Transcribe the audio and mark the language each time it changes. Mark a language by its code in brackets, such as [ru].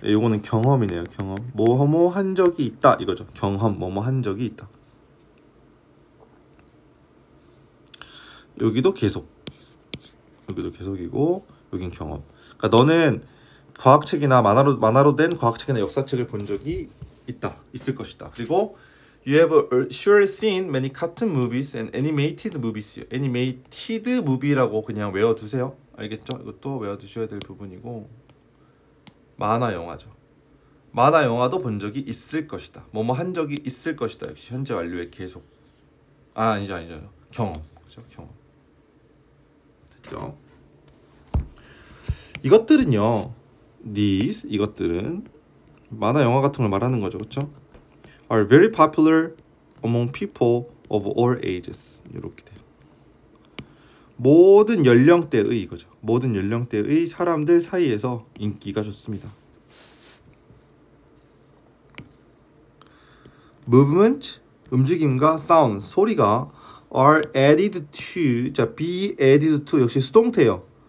[ko] 예, 요거는 경험이네요. 경험. 뭐뭐 한 적이 있다. 이거죠. 경험 뭐뭐 한 적이 있다. 여기도 계속. 여기도 계속이고 여긴 경험. 그러니까 너는 과학책이나 만화로 된 과학책이나 역사책을 본 적이 있다. 있을 것이다. 그리고 [en] you have surely seen many cartoon movies and animated movies. [ko] animated movie라고 그냥 외워 두세요. 알겠죠? 이것도 외워 두셔야 될 부분이고 만화 영화죠. 만화 영화도 본 적이 있을 것이다. 뭐뭐 한 적이 있을 것이다. 역시 현재 완료의 계속. 아, 아니죠. 아니죠. 경험. 그렇죠? 경험. 됐죠? 이것들은요. these 이것들은 만화 영화 같은 걸 말하는 거죠. 그렇죠? [en] are very popular among people of all ages. [ko] 이렇게 돼요. 모든 연령대의 이거죠. 모든 연령대의 사람들 사이에서 인기가 좋습니다. [en] movement [ko] 움직임과 [en] sound [ko] 소리가 [en] are added to 자 be added to [ko] 역시 수동태예요.